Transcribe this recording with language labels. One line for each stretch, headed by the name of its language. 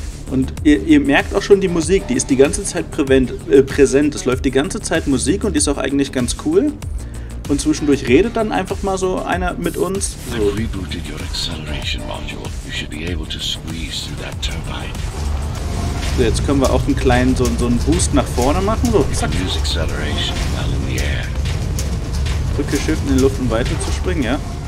German: Und ihr merkt auch schon die Musik, die ist die ganze Zeit präsent. Es läuft die ganze Zeit Musik und die ist auch eigentlich ganz cool. Und zwischendurch redet dann einfach mal so einer mit uns. So.
English: I've rebooted your acceleration module. You should be able to squeeze through that turbine.
German: So, jetzt können wir auch einen kleinen, so einen Boost nach vorne machen. So, zack.
English: Use acceleration while in the air.
German: Drücke Shift in die Luft, um weiter zu springen, ja.